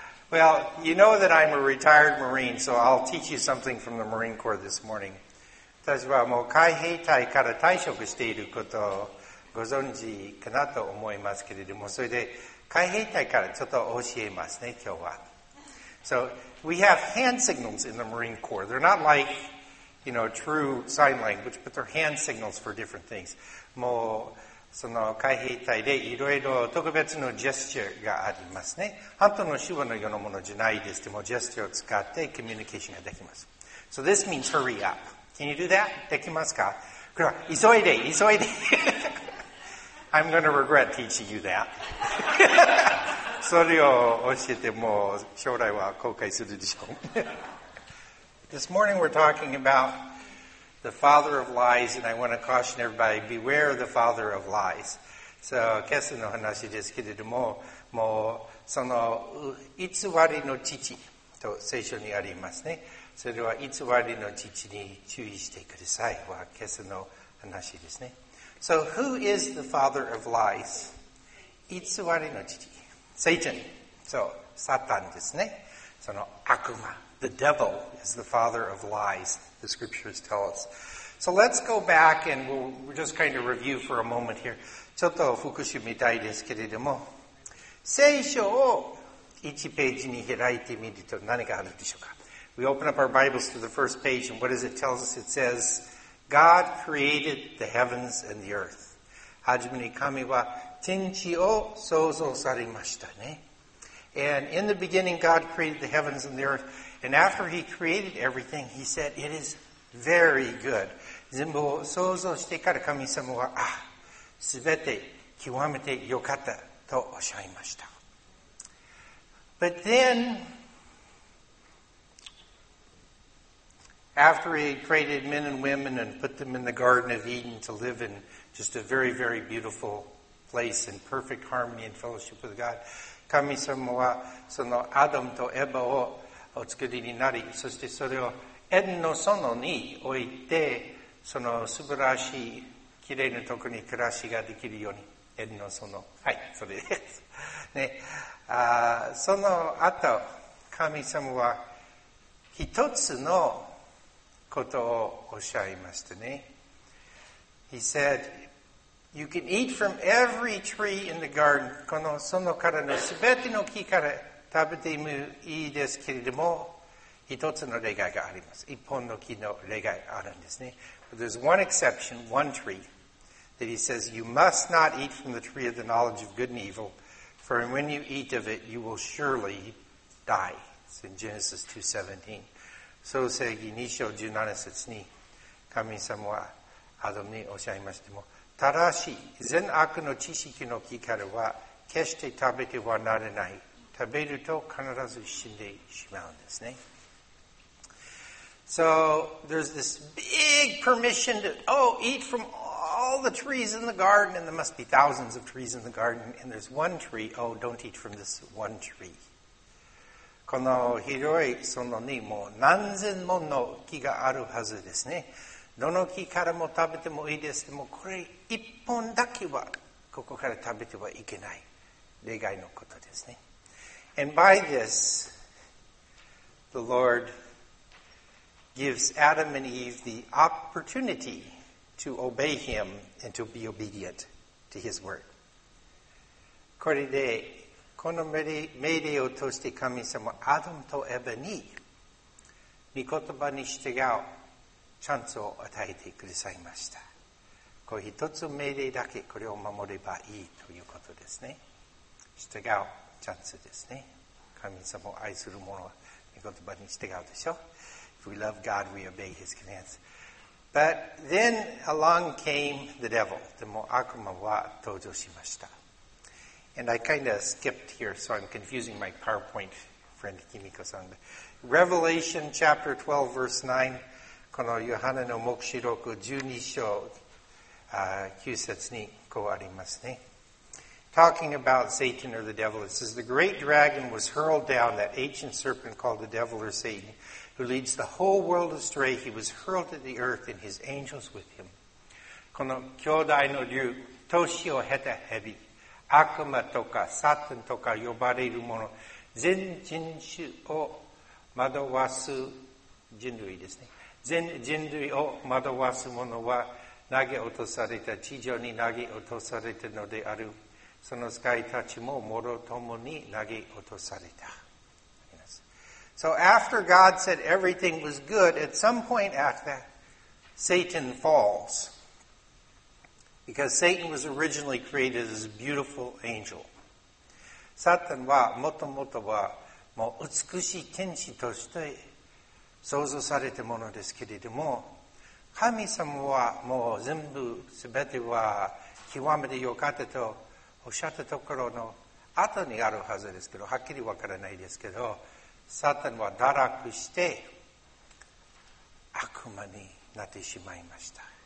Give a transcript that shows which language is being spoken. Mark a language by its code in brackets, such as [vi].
[en] Well, you know that I'm a retired Marine, so I'll teach you something from the Marine Corps this morning. [ja] 私はもう海兵隊から退職していることをご存知かなと思いますけれども、それで海兵隊からちょっと教えますね今日は。 [en] So we have hand signals in the Marine Corps. They're not like, you know, true sign language, but they're hand signals for different things. [ja] もうその海兵隊でいろいろ特別のジェスチャーがありますね。半島の手話のようなものじゃないです。でもジェスチャーを使ってコミュニケーションができます。 [en] So this means hurry up. Can you do that? [ja] できますか？急いで、急いで。 [en] I'm going to regret teaching you that. [ja] それを教えても将来は後悔するでしょう。 [en] This morning we're talking about the father of lies, and I want to caution everybody, beware the father of lies. [ja] So, 今朝の話ですけれども、もうその偽りの父と聖書にありますね。それは偽りの父に注意してください。は今朝の話ですね。 [en] So, who is the father of lies? [ja] 偽りの父。Satan. So, Satan ですね。その悪魔。 [en] The devil is the father of lies, the scriptures tell us. So let's go back and we'll just kind of review for a moment here. [ja] ちょっと復習みたいですけれども、聖書を1ページに開いてみると何があるでしょうか。 [en] We open up our Bibles to the first page, and what does it tell us? It says, God created the heavens and the earth. [ja] はじめに神は天地を創造されましたね。 [en] And in the beginning, God created the heavens and the earth. And after He created everything, He said, it is very good. [ja] 全部を創造してから神様は、ah, すべて極めてよかったとおっしゃいました。 [en] But then, after He created men and women and put them in the Garden of Eden to live in just a very, very beautiful place in perfect harmony and fellowship with God, [ja] 神様はそのアダムとエバをお作りになり、そしてそれをエデンの園に置いて、その素晴らしい、きれいなところに暮らしができるように、エデンの園。はい、それです。ね、その後、神様は一つのことをおっしゃいましたね。 [en] He said,You can eat from every tree in the garden. [ja] この園からのすべての木から食べてもいいですけれども、一つの例外があります。一本の木の例外あるんですね。 [en] But there's one exception, one tree, that he says, you must not eat from the tree of the knowledge of good and evil, for when you eat of it, you will surely die. It's in Genesis 2:17. [ja] 創世記2章17節に、神様はアダムにおっしゃいましても、ただし、善悪の知識の木からは、決して食べてはならない。食べると必ず死んでしまうんですね。 [en] So, there's this big permission to, oh, eat from all the trees in the garden, and there must be thousands of trees in the garden, and there's one tree, oh, don't eat from this one tree. [ja] この広い園にも何千もの木があるはずですね。どの木からも食べてもいいです。でもこれ一本だけはここから食べてはいけない。例外のことですね。 [en] And by this, the Lord gives Adam and Eve the opportunity to obey him and to be obedient to his word. [ja] これでこの命令を通して神様はアダムとエヴァに御言葉に従うチャンスを与えてくださいました。これ一つ命令だけ、これを守ればいいということですね。従うチャンスですね。神様を愛する者は御言葉に従うでしょ。 [en] If we love God, we obey His commands. But then along came the devil. [ja] でも悪魔は登場しました。 [en] And I kind of skipped here, so I'm confusing my PowerPoint friend Kimiko-san. Revelation chapter 12, verse 9. このヨハネの黙示録12章、9節にこうありますね。 Talking about Satan or the devil, it says, The great dragon was hurled down, that ancient serpent called the devil or Satan, who leads the whole world astray. He was hurled at the earth and his angels with him. [ja] この兄弟の竜、年を経た蛇、悪魔とかサタンとか呼ばれるもの、全人種を惑わす人類ですね。全人類を惑わすものは投げ落とされた、地上に投げ落とされたのである。その使いたちももろともに投げ落とされた。 [en] Yes. So after God said everything was good, at some point after, Satan falls. Because Satan was originally created as a beautiful angel. [ja] サタンはもともとはもう美しい天使として創造されたものですけれども、神様はもう全部すべては極めて良かったとおっしゃったところの後にあるはずですけど、はっきりわからないですけど、サタンは堕落して悪魔になってしまいました。